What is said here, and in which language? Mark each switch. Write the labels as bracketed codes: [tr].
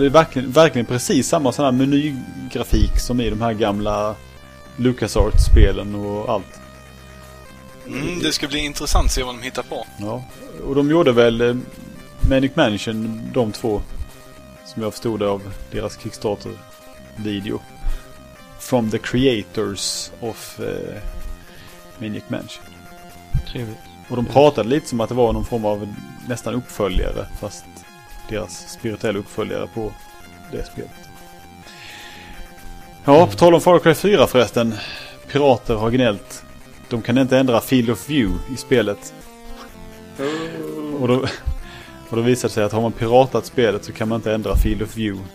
[sv] Det är verkligen precis samma sån här menygrafik som i de här gamla LucasArts-spelen och allt. Mm, det ska bli intressant att se vad de hittar på. Ja, och de gjorde väl Maniac Mansion, de två. Som jag förstod av deras Kickstarter-video. [en] From the creators of Maniac Mansion. [sv] Trevligt. Och de pratade lite som att det var någon form av nästan uppföljare. Fast deras spirituella uppföljare på det spelet. Ja, på tal om Far Cry 4 förresten. Pirater har gnällt. De kan inte ändra Field of View i spelet. Och då visade det sig att har man piratat spelet så kan man inte ändra Field of View.